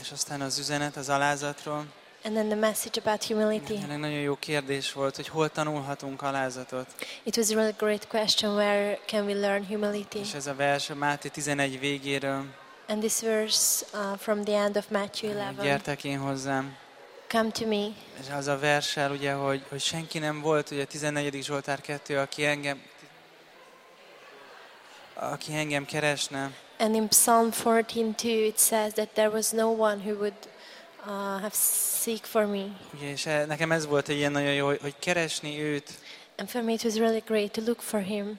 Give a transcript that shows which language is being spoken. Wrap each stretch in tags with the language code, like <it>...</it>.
<hu>És aztán az üzenet az alázatról.</hu> <en>And then the message about humility.</en> <hu>Egy nagyon jó kérdés volt, hogy hol tanulhatunk alázatot.</hu> <en>It was a really great question, where can we learn humility?</en> <hu>És ez a vers a Máté 11 végéről.</hu> <en>And this verse from the end of Matthew 11.</en> <hu>Gyertek én hozzám.</hu> <en>Come to me.</en> <hu>És az a verssel, ugye, hogy senki nem volt, ugye 14. Zsoltár 2, aki engem keresne.</hu> <en>And in Psalm 14:2 it says that there was no one who would have seek for me.</en> <hu>Ugye, és nekem ez volt egy ilyen nagyon jó, hogy keresni őt.</hu> <en>And for me it was really great to look for him.</en>